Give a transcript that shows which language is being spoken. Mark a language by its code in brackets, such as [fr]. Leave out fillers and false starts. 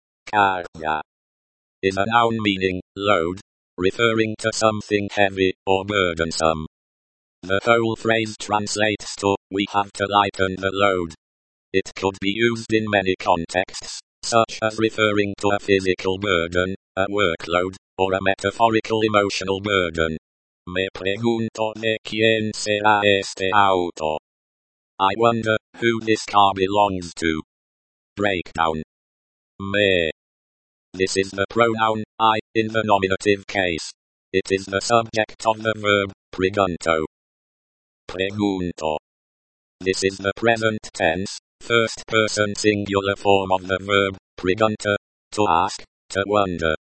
[en] Carga is a noun meaning load, referring to something heavy or burdensome. The whole phrase translates to, we have to lighten the load. It could be used in many contexts, such as referring to a physical burden, a workload, or a metaphorical emotional burden. [es] Me pregunto de quién será este auto. [en] I wonder who this car belongs to. Breakdown. Me. This is the pronoun, I, in the nominative case. It is the subject of the verb, pregunto. Pregunto. This is the present tense, first person singular form of the verb, pregunta, to ask, to wonder.